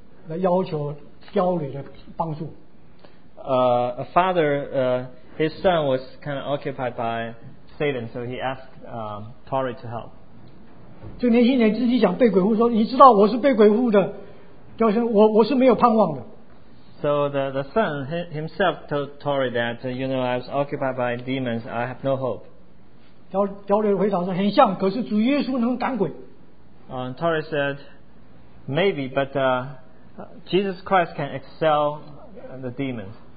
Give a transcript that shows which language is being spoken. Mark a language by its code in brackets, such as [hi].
[zh] 有个老父亲啊，他的儿子被鬼攻击，被鬼附，他就来要求焦雷的帮助。 [en] A father, his son was kind of occupied by Satan, so he asked Tori to help. [zh] 就年轻人自己讲被鬼附，说你知道我是被鬼附的，就是我是没有盼望的。 [en] So the son himself told Tori that, you know, I was occupied by demons, I have no hope. [zh] 焦雷回答说很像，可是主耶稣能赶鬼。 [en] Torres said, maybe, but Jesus Christ can excel the demons.